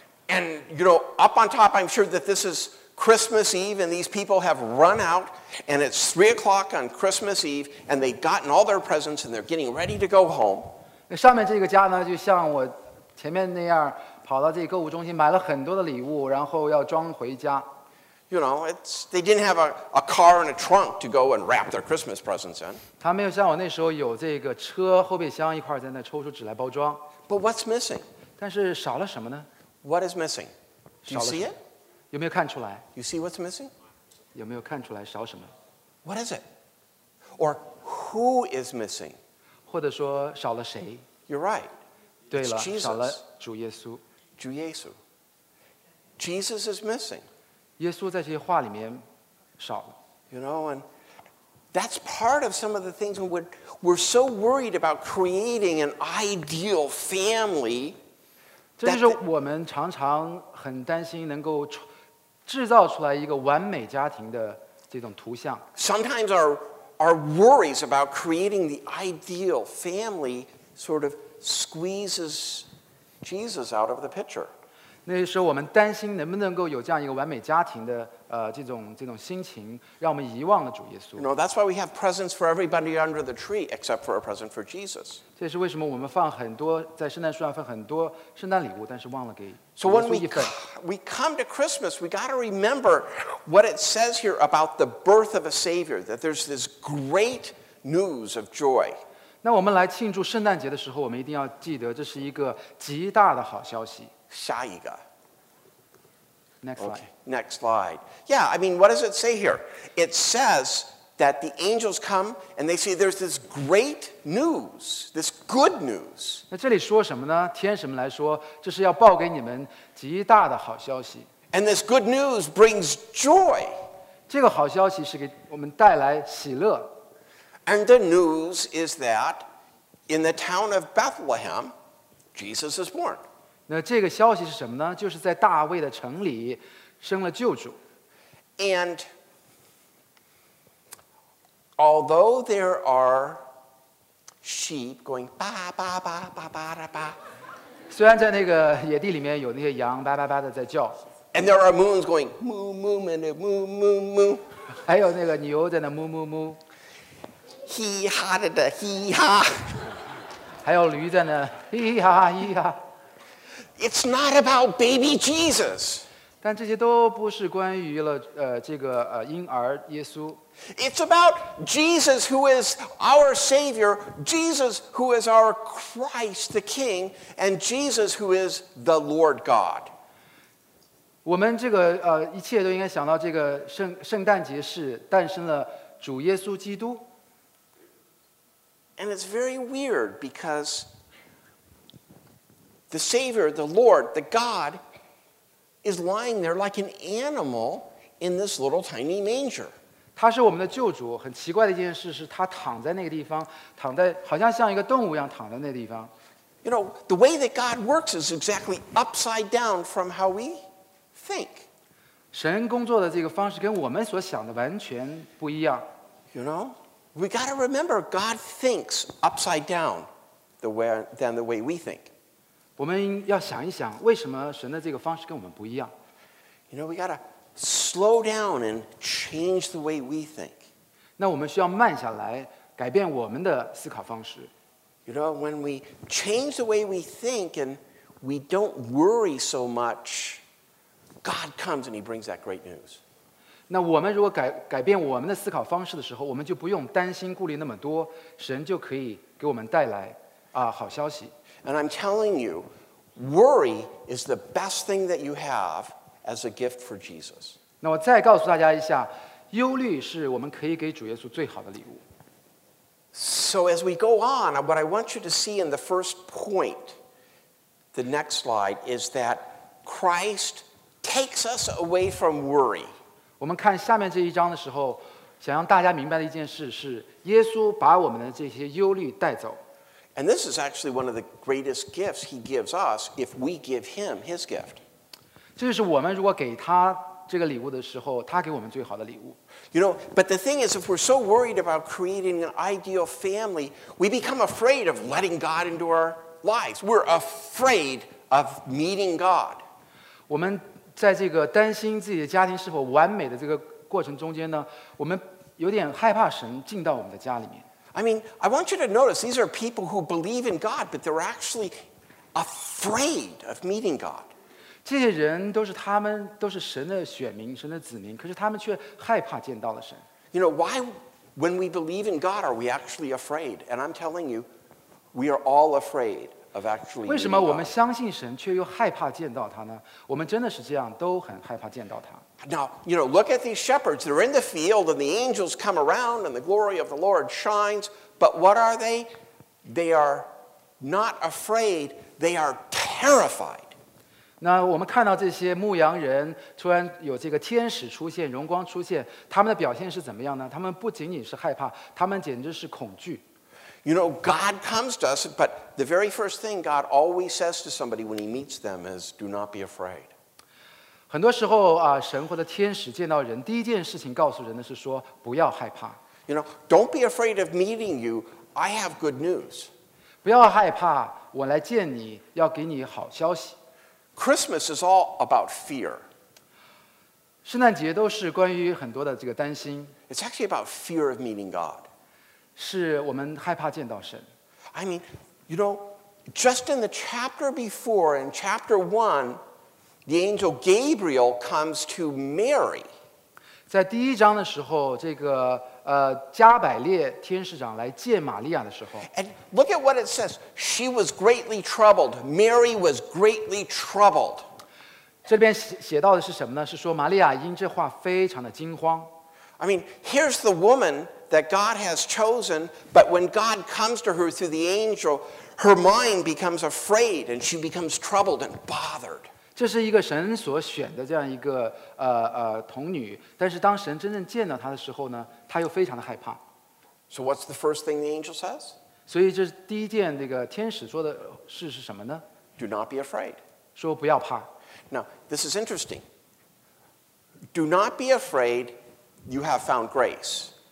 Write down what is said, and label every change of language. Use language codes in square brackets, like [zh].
[en] And, you know, up on top, I'm sure that this is Christmas Eve, and these people have run out, and it's 3 o'clock on Christmas Eve, and they've gotten all their presents, and they're getting ready to go home. [zh] 上面这个家呢，就像我前面那样，跑到这个购物中心，买了很多的礼物，然后要装回家。 [en] You know, they didn't have a car and a trunk to go and wrap their Christmas presents in. [zh] 他没有像我那时候有这个车后备箱一块在那抽出纸来包装。 [en] But what's missing? [zh] 但是少了什么呢？ [en] What is missing? Do you see it? [zh] 有没有看出来? [en] You see what's missing? [zh] 有没有看出来少什么? [en] What is it? Or who is missing? [zh] 或者说少了谁? [en] You're right. [zh] 对了, 少了主耶稣。主耶稣。 [en] Jesus is missing. [zh] 耶稣在这些话里面少了。 [en] You know, and that's part of some of the things we're so worried about creating an ideal family. [zh] 这就是我们常常很担心能够制造出来一个完美家庭的这种图像。 [en] Sometimes our worries about creating the ideal family sort of squeezes Jesus out of the picture. [zh] 那时候我们担心能不能够有这样一个完美家庭的这种心情，让我们遗忘了主耶稣。 [en] No, that's why we have presents for everybody under the tree, except for a present for Jesus. [zh] 这是为什么我们放很多在圣诞树上放很多圣诞礼物，但是忘了给主耶稣一份。 [en] So when we come to Christmas, we got to remember what it says here about the birth of a Savior, that there's this great news of joy. [zh] 那我们来庆祝圣诞节的时候，我们一定要记得这是一个极大的好消息。下一个。 [en] Next slide. Okay, next slide. Yeah, I mean, what does it say here? It says that the angels come and they say there's this great news, this good news. [zh] 那这里说什么呢？天使们来说，这是要报给你们极大的好消息。 [en] And this good news brings joy. [zh] 这个好消息是给我们带来喜乐。 [en] And the news is that in the town of Bethlehem, Jesus is born. [zh] 那这个消息是什么呢？就是在大卫的城里生了救主。 [en] And although there are sheep going ba ba ba ba ba ba ba, [zh] 虽然在那个野地里面有那些羊ba ba ba的在叫。 [en] And there are moons going moo moo moo moo moo moo, [zh] 还有那个牛在那moo moo moo, hi ha da da hi ha, 还有驴在那hi hi ha ha hi ha. [en] It's not about baby Jesus. [zh] 但这些都不是关于了这个婴儿耶稣。 [en] It's about Jesus who is our Savior, Jesus who is our Christ the King, and Jesus who is the Lord God. [zh] 我们这个一切都应该想到这个圣诞节是诞生了主耶稣基督。 [en] And it's very weird because... The Savior, the Lord, the God, is lying there like an animal in this little tiny manger. [zh] 他是我们的救主。很奇怪的一件事是，他躺在那个地方，躺在好像像一个动物一样躺在那个地方。 [en] You know, the way that God works is exactly upside down from how we think. [zh] 神工作的这个方式跟我们所想的完全不一样。 [en] You know, we got to remember God thinks upside down than the way we think. [zh] 我们要想一想，为什么神的这个方式跟我们不一样 [en] ？You know, we gotta slow down and change the way we think. [zh] 那我们需要慢下来，改变我们的思考方式。 [en] You know, when we change the way we think and we don't worry so much, God comes and He brings that great news. [zh] 那我们如果改变我们的思考方式的时候，我们就不用担心顾虑那么多，神就可以给我们带来好消息。 [en] And I'm telling you, worry is the best thing that you have as a gift for Jesus. [zh] 那我再告诉大家一下，忧虑是我们可以给主耶稣最好的礼物。 [en] So as we go on, what I want you to see in the first point, the next slide, is that Christ takes us away from worry. [zh] 我们看下面这一章的时候，想让大家明白的一件事是，耶稣把我们的这些忧虑带走。 [en] And this is actually one of the greatest gifts he gives us if we give him his gift. [zh] 这就是我们如果给他这个礼物的时候，他给我们最好的礼物。 [en] You know, but the thing is, if we're so worried about creating an ideal family, we become afraid of letting God into our lives. We're afraid of meeting God. [zh] 我们在这个担心自己的家庭是否完美的这个过程中间呢，我们有点害怕神进到我们的家里面。 [en] I mean, I want you to notice these are people who believe in God, but they're actually afraid of meeting God. [zh] 这些人都是他们，都是神的选民，神的子民，可是他们却害怕见到了神。 [en] You know, why, when we believe in God, are we actually afraid? And I'm telling you, we are all afraid of actually meeting God. [zh] 为什么我们相信神，却又害怕见到他呢？我们真的是这样，都很害怕见到他。 [en] Now, you know, look at these shepherds. They're in the field and the angels come around and the glory of the Lord shines. But what are they? They are not afraid. They are terrified. [zh] 那我们看到这些牧羊人突然有这个天使出现，荣光出现，他们的表现是怎么样呢？他们不仅仅是害怕，他们简直是恐惧。 [en] You know, God comes to us, but the very first thing God always says to somebody when he meets them is, do not be afraid. [zh] 很多时候啊，神或者天使见到人，第一件事情告诉人的是说，不要害怕。 [en] You know, don't be afraid of meeting you. I have good news. [zh] 不要害怕，我来见你，要给你好消息。 [en] Christmas is all about fear. [zh] 圣诞节都是关于很多的这个担心。 [en] It's actually about fear of meeting God. [zh] 是我们害怕见到神。 [en] I mean, you know, just in the chapter before, in chapter 1, the angel Gabriel comes to Mary. [zh] 在第一章的时候，这个加百列天使长来见玛利亚的时候。 [en] And look at what it says. She was greatly troubled. Mary was greatly troubled. [zh] 这边写到的是什么呢？是说玛利亚因这话非常的惊慌。 [en] I mean, here's the woman that God has chosen, but when God comes to her through the angel, her mind becomes afraid and she becomes troubled and bothered. [zh] 这是一个神所选的这样一个童女，但是当神真正见到她的时候呢，她又非常的害怕。 [en] So what's the first thing the angel says? [zh] 所以这第一件这个天使说的事是什么呢？ [en] Do not be afraid. [zh] 说不要怕。 [en] Now, this is interesting. Do not be afraid, you have found grace.